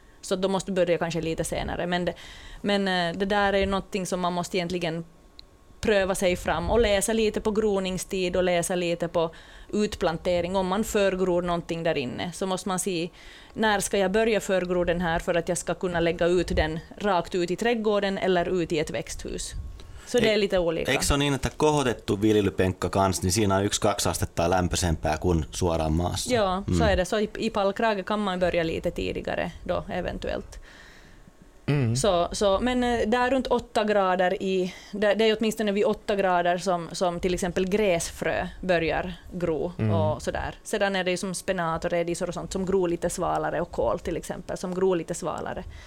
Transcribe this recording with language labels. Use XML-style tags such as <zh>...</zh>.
<sv>Så då måste du börja kanske lite senare. Men det där är ju någonting som man måste egentligen pröva sig fram och läsa lite på groningstid och läsa lite på utplantering. Om man förgror någonting där inne, så måste man se, när ska jag börja förgro den här för att jag ska kunna lägga ut den rakt ut i trädgården eller ut i ett växthus. Så det är lite olika.</sv> <fi>Eikö se ole niin, että kohotettu viljelypenkka kanssa, niin siinä on 1-2 astetta lämpöisempää kuin suoraan maassa?</fi> <sv>Joo, så är det. Så i pallkrage kan man börja lite tidigare då eventuellt. Men där runt 8 grader det är åtminstone vid 8 grader som till exempel gräsfrö börjar gro och sådär. Sedan är det ju som spenat och redisor och sånt som gro lite svalare, och kål till exempel som gro lite svalare.</sv>